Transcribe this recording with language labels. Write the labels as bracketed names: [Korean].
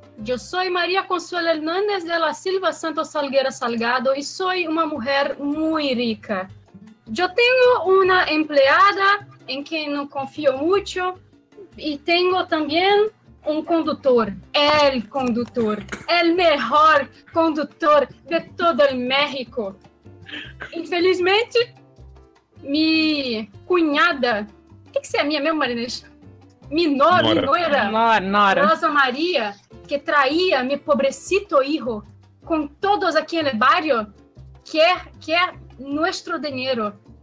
[Portuguese] Eu sou Maria Consuela Hernández de la Silva Santos Salgueira Salgado e sou uma mulher muito rica. Eu tenho uma empregada em quem não confio muito e tenho também um condutor. [Spanish] El condutor. El mejor condutor de todo el México. [Portuguese] Infelizmente, minha cunhada, o que, que você é minha mesmo, Marinesa? Minora, Rosa Maria, que traía meu [Spanish] pobrecito hijo [Portuguese] com todos aqui no barrio, quer [Spanish] nuestro [Portuguese] dinheiro.